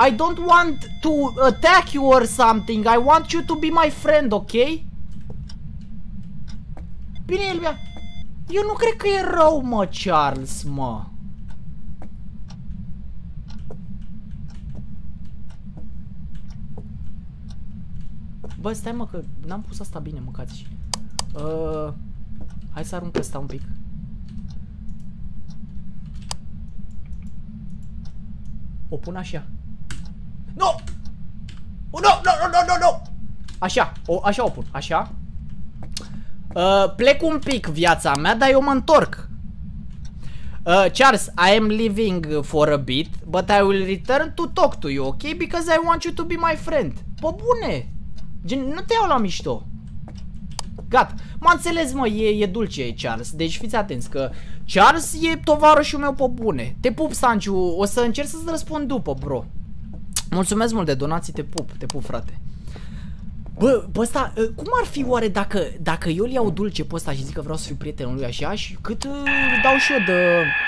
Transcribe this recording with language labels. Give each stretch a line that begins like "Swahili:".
English: I don't want to attack you or something. I want you to be my friend, ok?
Romanian: Bine, Elvia. Eu nu cred că e rău, mă, Charles, mă. Bă, stai, mă, că n-am pus asta bine, mâncați. Hai să arunc ăsta un pic. O pun așa.
English: No! No!
Romanian: Așa, așa o pun, așa. Plec un pic viața mea, dar eu mă întorc.
English: Charles, I am leaving for a bit, but I will return to talk to you, ok? Because I want you to be my friend.
Romanian: Pă bune! Gen, nu te iau la mișto. Gata. Mă înțelegi, mă, e dulce, Charles. Deci fiți atenți că Charles e tovarășul meu pe bune. Te pup, Sanciu. O să încerc să-ți răspund după, bro. Mulțumesc mult de donații. Te pup, frate. Bă, ăsta, cum ar fi oare dacă eu îl iau dulce pe ăsta și zic că vreau să fiu prietenul lui așa și cât dau și eu de...